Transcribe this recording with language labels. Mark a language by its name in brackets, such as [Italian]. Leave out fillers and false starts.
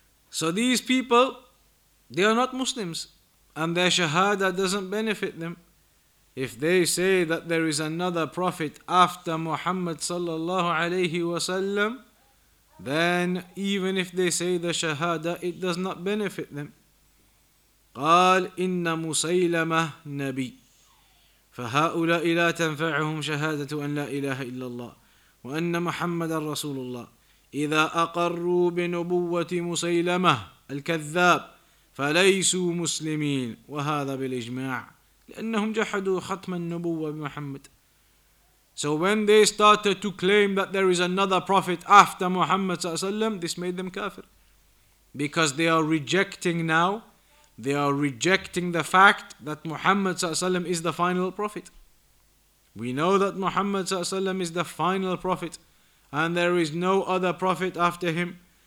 [English] So these people, they are not Muslims, and their shahada doesn't benefit them. If they say that there is another prophet after Muhammad ﷺ, then even if they say the shahada, it does not benefit them. [Arabic] قال إن مسيلمة نبي فهؤلاء لا تنفعهم شهادة أن لا إله إلا الله وأن محمد رسول الله إذا أقروا بنبوة مسيلمة الكذاب فليسوا مسلمين وهذا بالإجماع لأنهم جحدوا ختم النبوة بمحمد. [English] So when they started to claim that there is another prophet after Muhammad ﷺ, this made them kafir. Because they are rejecting the fact that Muhammad ﷺ is the final prophet. We know that Muhammad ﷺ is the final prophet, and there is no other prophet after him.